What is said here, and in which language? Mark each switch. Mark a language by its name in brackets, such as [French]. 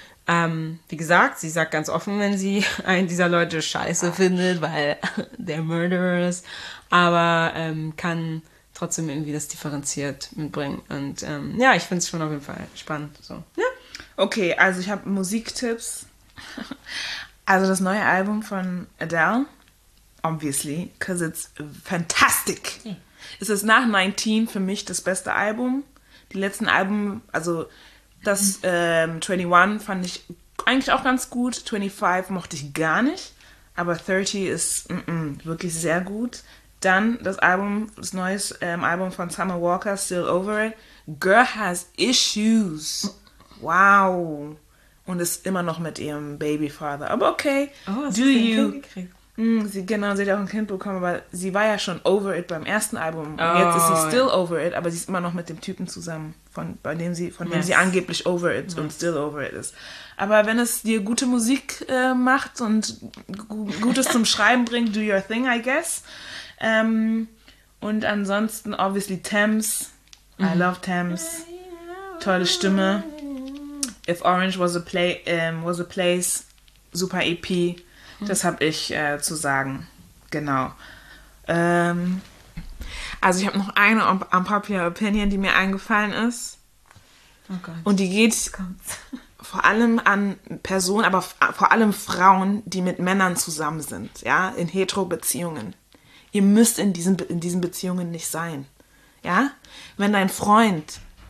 [German] Wie gesagt, sie sagt ganz offen, wenn sie einen dieser Leute scheiße findet, weil [English] they're murderers, [German] aber kann trotzdem irgendwie das differenziert mitbringen. Und ja, ich finde es schon auf jeden Fall spannend. So. Ja. Okay, also ich habe Musiktipps. Also das neue Album von Adele, [English] obviously, because it's fantastic. [German] Es ist nach 19 für mich das beste Album. Die letzten Alben, also das 21 fand ich eigentlich auch ganz gut. 25 mochte ich gar nicht. Aber 30 ist wirklich sehr gut. Dann das Album, das neue Album von Summer Walker, Still Over It. [English] Girl has issues. Wow. [German] Und ist immer noch mit ihrem Babyfather. Aber okay. Oh, sie hat ein Kind gekriegt. Sie hat auch ein Kind bekommen, aber sie war ja schon over it beim ersten Album. Und jetzt ist sie still over it, aber sie ist immer noch mit dem Typen zusammen, dem sie angeblich over it und still over it ist. Aber wenn es dir gute Musik macht und Gutes zum Schreiben bringt, [English] do your thing, I guess. [German] Und ansonsten, obviously, Tems. [English] I love Tems. [German] Tolle Stimme. [English] If Orange was a place, super EP. [German] Das habe ich zu sagen. Genau. Also ich habe noch eine unpopular Opinion, die mir eingefallen ist. Oh Gott. Und die geht vor allem an Personen, aber vor allem Frauen, die mit Männern zusammen sind. Ja, in Hetero-Beziehungen. Ihr müsst in diesen Beziehungen nicht sein. Ja? Wenn dein Freund